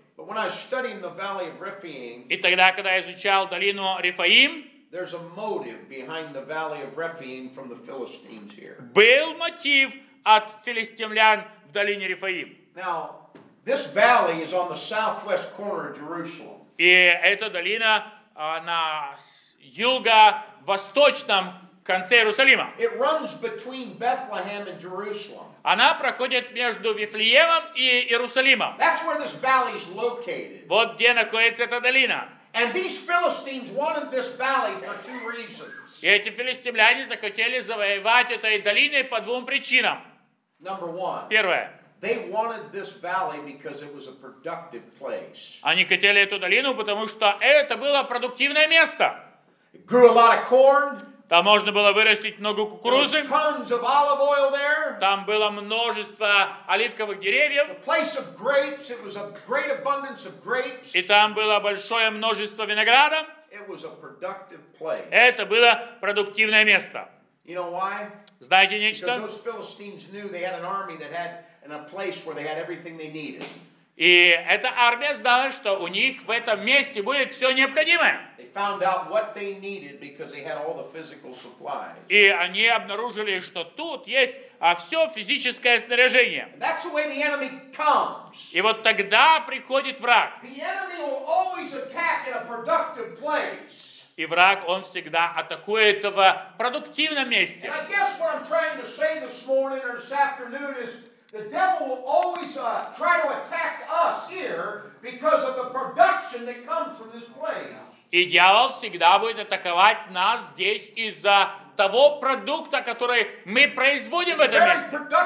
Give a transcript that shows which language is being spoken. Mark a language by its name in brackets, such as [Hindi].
[Russian] И тогда, когда я изучал долину Рефаим, был мотив от филистимлян в долине Рефаим. [English] This valley is on the southwest corner of Jerusalem. [Russian] И эта долина на юго-восточном конце Иерусалима. [English] It runs between Bethlehem and Jerusalem. [Russian] Она проходит между Вифлеемом и Иерусалимом. [English] That's where this valley is located. [Russian] Вот где находится эта долина. [English] And these Philistines wanted this valley for two reasons. [Russian] И эти филистимляне захотели завоевать этой долиной по двум причинам. [English] Number one. [Russian] Первое. [English] They wanted this valley because it was a productive place. [Russian] Они хотели эту долину, потому что это было продуктивное место. [English] It grew a lot of corn. [Russian] Там можно было вырастить много кукурузы. [English] There were tons of olive oil there. [Russian] Там было множество оливковых деревьев. [English] A place of grapes. It was a great abundance of grapes. [Russian] И там было большое множество винограда. [English] It was a productive place. [Russian] Это было продуктивное место. [English] You know why? [Russian] Знаете нечто? [English] Because those Philistines knew they had an army that had in a place where they had everything they needed. [Russian] И эта армия знала, что у них в этом месте будет все необходимое. [English] They found out what they needed because they had all the physical supplies. [Russian] И они обнаружили, что тут есть все физическое снаряжение. [English] And that's the way the enemy comes. [Russian] И вот тогда приходит враг. [English] The enemy will always attack in a productive place. [Russian] И враг, он всегда атакует в продуктивном месте. [English] And I guess what I'm trying to say this morning or this afternoon is the devil will always try to attack us here because of the production that comes from this place. [Russian] И дьявол всегда будет атаковать нас здесь из-за того продукта, который мы производим в этом месте.